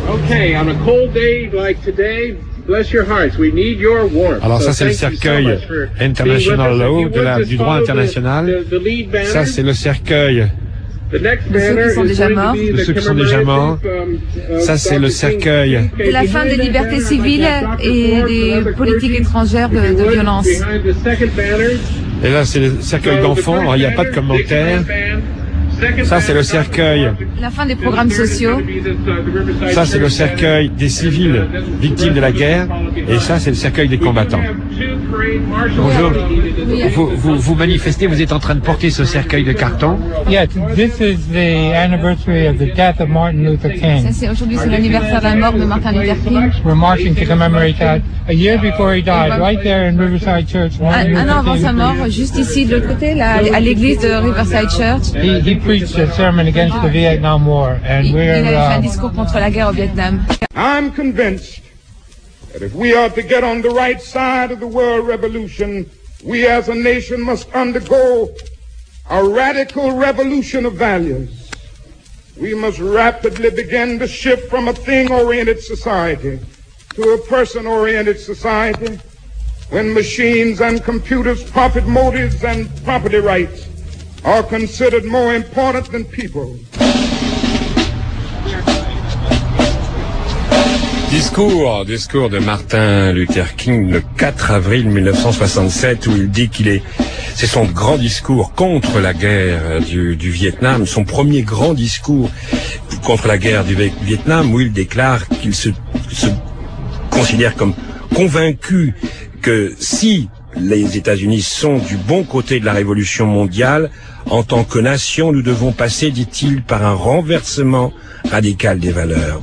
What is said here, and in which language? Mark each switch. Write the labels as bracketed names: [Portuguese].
[English] Okay, on a cold day like today, bless your hearts, we need your warmth. [French] Alors ça, c'est le cercueil international là-haut, du droit international. Ça, c'est le cercueil. [English] The next banner, [French] ceux qui sont déjà morts. De ceux qui sont déjà morts. Ça, c'est le cercueil. De la fin des libertés civiles et des politiques étrangères de violence. Et là, c'est le cercueil d'enfants. Il n'y a pas de commentaire. Ça, c'est le cercueil. La fin des programmes sociaux. Ça, c'est le cercueil des civils victimes de la guerre. Et ça, c'est le cercueil des combattants. Bonjour. Vous manifestez, vous êtes en train de porter ce cercueil de carton. [English] Yes, this is the anniversary of the death of Martin Luther King. [French] Ça, c'est aujourd'hui, c'est l'anniversaire de la mort de Martin Luther King. [English] We're marching to commemorate that a year before he died, right there in Riverside Church. [French] Un an avant sa mort, juste ici de l'autre côté, là, à l'église de Riverside Church. [English] He preached a sermon against the Vietnam War, and we're. [French] Il a fait un discours contre la guerre au Vietnam. [English] I'm convinced that if we are to get on the right side of the world revolution, we as a nation must undergo a radical revolution of values. We must rapidly begin to shift from a thing-oriented society to a person-oriented society. When machines and computers, profit motives and property rights are considered more important than people. [French] Discours de Martin Luther King le 4 avril 1967 où il dit qu'il est, c'est son grand discours contre la guerre du Vietnam, son premier grand discours contre la guerre du Vietnam où il déclare qu'il se considère comme convaincu que si les États-Unis sont du bon côté de la révolution mondiale, en tant que nation, nous devons passer, dit-il, par un renversement radical des valeurs.